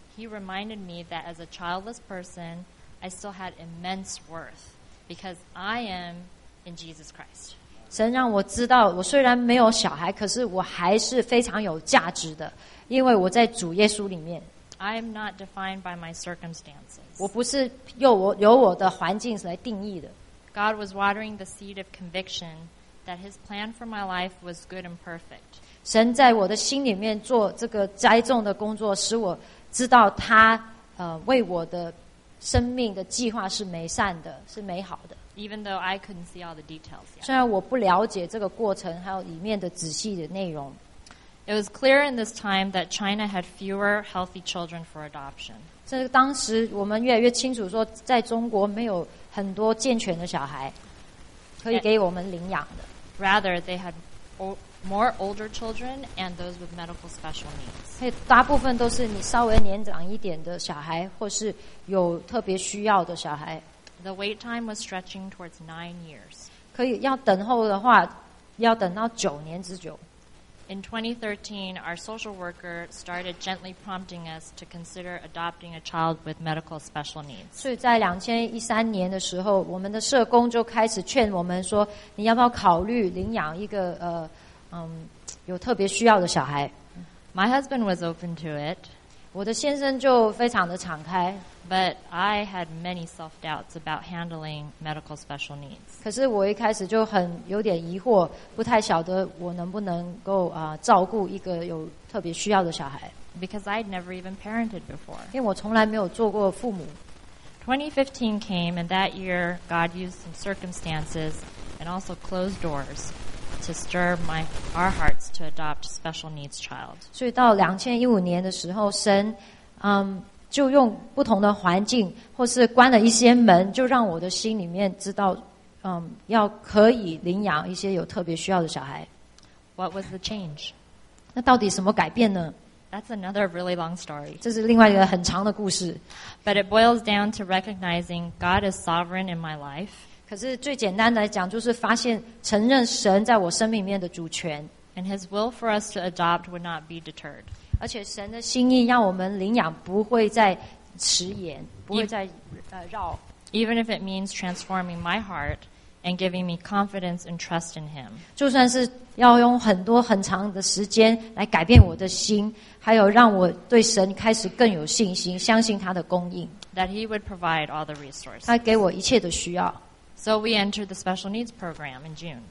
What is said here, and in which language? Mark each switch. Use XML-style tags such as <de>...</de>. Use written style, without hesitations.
<en>He reminded me that as a childless person,I still had immense worth because I am in Jesus Christ.</en> <zh>神让我知道，我虽然没有小孩，可是我还是非常有价值的，因为我在主耶稣里面。</zh> <en>I am not defined by my circumstances.</en> <zh>我不是由我的环境来定义的。</zh> <en>God was watering the seed of conviction that His plan for my life was good and perfect.</en> <zh>神在我的心里面做这个栽种的工作，使我知道他为我的生命的计划是美善的，是美好的。</zh> <en>Even though I couldn't see all the details yet.</en> <zh>虽然我不了解这个过程，还有里面的仔细的内容。</zh> <en>It was clear in this time that China had fewer healthy children for adoption.</en> <zh>这是当时我们越来越清楚说，在中国没有很多健全的小孩可以给我们领养的。</zh> <en>Rather, they had more older children and those with medical special needs.</en> <zh>大部分都是你稍微年长一点的小孩，或是有特别需要的小孩。</zh> <en>The wait time was stretching towards 9 years.</en> <zh>可以要等候的话，要等到九年之久。</zh> <en>In 2013, our social worker started gently prompting us to consider adopting a child with medical special needs.</en> <zh>所以在2013年的时候，我们的社工就开始劝我们说，你要不要考虑领养一个有特别需要的小孩。</zh> <en>My husband was open to it.</en> <zh>我的先生就非常的敞开。</zh> <en>But I had many self-doubts about handling medical special needs.</en> <zh>可是我一开始就很有点疑惑，不太晓得我能不能够照顾一个有特别需要的小孩。</zh> <en>Because I had never even parented before.</en> <zh>因为我从来没有做过父母。</zh> <en>2015 came, and that year God used some circumstances and also closed doors. To stir our hearts to adopt special needs child.</en> <zh>所以到2015年的时候，神，就用不同的环境，或是关了一些门，就让我的心里面知道，要可以领养一些有特别需要的小孩。</zh> <en>What was the change?</en> <zh>那到底什么改变呢？</zh> <en>That's another really long story.</en> <zh>这是另外一个很长的故事。</zh> <en>But it boils down to recognizing God is sovereign in my life.</en> <zh>可是最简单来讲，就是发现承认神在我生命里面的主权。</zh> <en>And His will for us to adopt would not be deterred.</en> <zh>而且神的心意让我们领养不会再迟延，不会再绕。</zh> <en>Even if it means transforming my heart and giving me confidence and trust in Him.</en> <zh>就算是要用很多很长的时间来改变我的心，还有让我对神开始更有信心，相信他的供应。</zh> <en>That He would provide all the resources.</en> <zh>他给我一切的需要。</zh> <en>So we entered the special needs program in June.</en>